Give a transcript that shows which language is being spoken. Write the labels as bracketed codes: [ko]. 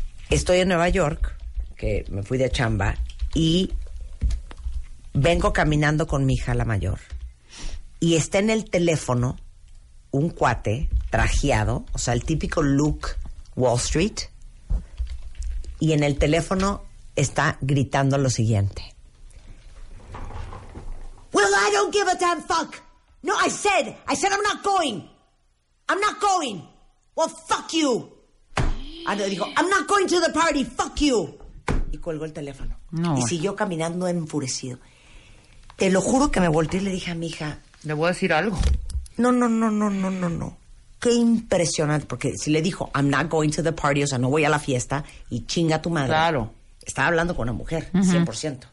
[es] Estoy en Nueva York, que me fui de chamba, y vengo caminando con mi hija, la mayor, y está en el teléfono un cuate trajeado, o sea, el típico look Wall Street, y en el teléfono está gritando lo siguiente. [en] Well, I don't give a damn fuck. No, I said I'm not going. I'm not going. Well, fuck you. [es] Ando dijo, [en] I'm not going to the party, fuck you. [es] Y colgó el teléfono. No. Y siguió caminando enfurecido. Te lo juro que me volteé y le dije a mi hija, ¿le voy a decir algo? No. Qué impresionante, porque si le dijo, [en] I'm not going to the party, [es] o sea, no voy a la fiesta, y chinga a tu madre. Claro. Estaba hablando con una mujer, 100%.